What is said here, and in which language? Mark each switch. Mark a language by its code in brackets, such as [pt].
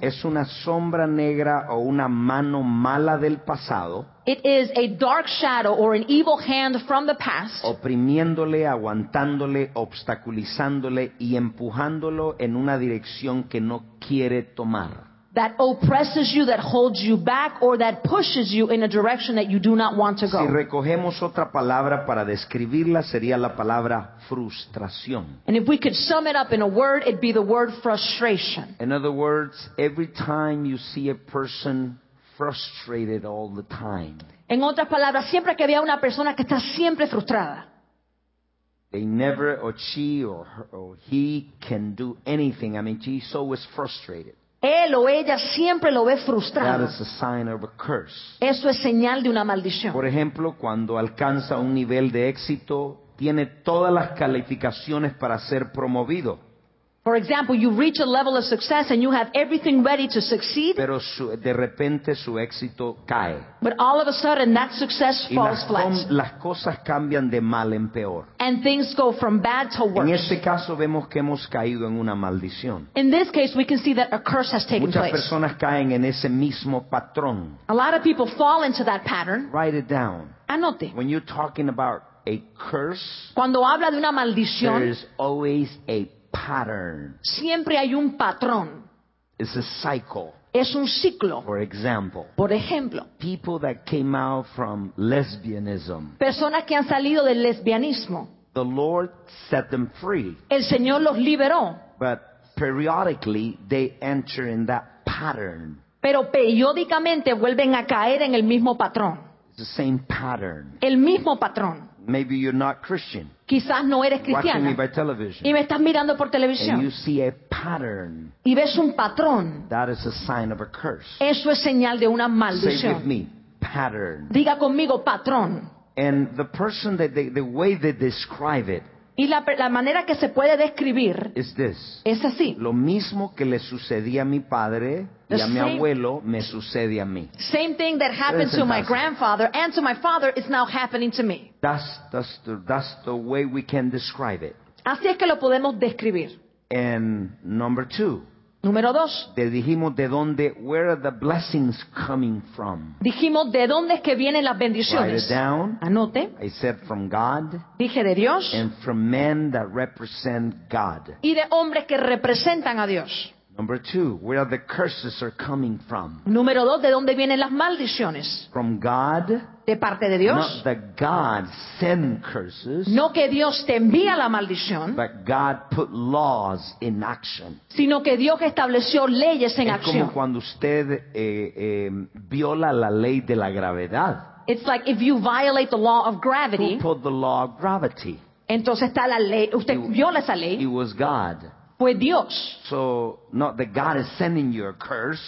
[es] Es una sombra negra o una mano mala del pasado. [en] It is a dark shadow or an evil hand from the past. [es] Oprimiéndole, aguantándole, obstaculizándole y empujándolo en una dirección que no quiere tomar. [en] That oppresses you, that holds you back, or that pushes you in a direction that you do not want to go. [es] Si recogemos otra palabra para describirla, sería la palabra frustración. [en] And if we could sum it up in a word, it'd be the word frustration. In other words, every time you see a person frustrated all the time. [es] En otras palabras, siempre que vea una persona que está siempre frustrada. [en] They never, or she, or her, or he can do anything. I mean, she's always frustrated. [es] Él o ella siempre lo ve frustrado. [en] That is a sign of a curse. [es] Eso es señal de una maldición. Por ejemplo, cuando alcanza un nivel de éxito, tiene todas las calificaciones para ser promovido. [en] For example, you reach a level of success and you have everything ready to succeed. [es] Pero de repente su éxito cae. [en] But all of a sudden that success falls flat. [es] Las cosas cambian de mal en peor. [en] And things go from bad to worse. [es] En este caso vemos que hemos caído en una maldición. [en] In this case we can see that a curse has taken [es] Muchas [en] place. [es] Personas caen en ese mismo patrón. [en] A lot of people fall into that pattern. Write it down. [es] Anote. [en] When you're talking about a curse, [es] cuando habla de una maldición, [en] there is always a pattern. [es] Siempre hay un patrón. [en] It's a cycle. [es] Es un ciclo. [en] For example, [es] por ejemplo, [en] people that came out from lesbianism. [es] Personas que han salido del lesbianismo. [en] The Lord set them free. [es] El Señor los liberó. [en] But periodically they enter in that pattern. [es] Pero periódicamente vuelven a caer en el mismo patrón. [en] It's the same pattern. [es] El mismo patrón. [en] Maybe you're not Christian. [es] Quizás no eres cristiana. [en] Watching me by television. [es] Y me estás mirando por televisión. [en] And you see a pattern. [es] Y ves un patrón. [en] That is a sign of a curse. [es] Eso es señal de una maldición. [en] Say with me, pattern. [es] Diga conmigo, patrón. [en] And the person that the way they describe it. [es] Y la manera que se puede describir [en] is this. [es] Es así. Lo mismo que le sucedía a mi padre y a mi abuelo me sucede a mí. [en] Same thing that happened to my grandfather and to my father is now happening to me. That's the way we can describe it. [es] Así es que lo podemos describir. [en] And number two. [es] Número dos. Le dijimos de dónde, [en] where are the blessings coming from? [es] Dijimos de dónde es que vienen las bendiciones. [en] Write it down. [es] Anote. [en] I said from God. [es] Dije de Dios. [en] And from men that represent God. [es] Y de hombres que representan a Dios. [en] Number two, where are the curses are coming from? [es] Número dos, ¿de dónde vienen las maldiciones? [en] From God. [es] De parte de Dios. [en] Not that God send curses. [es] No que Dios te envía la maldición. [en] But God put laws in action. [es] Sino que Dios estableció leyes en acción. Es como cuando usted viola la ley de la gravedad. [en] It's like if you violate the law of gravity. Who put the law of gravity? [es] Entonces está la ley. Usted viola esa ley. [en] It was God. [es] Fue Dios. [en] So, not that God is sending you a curse.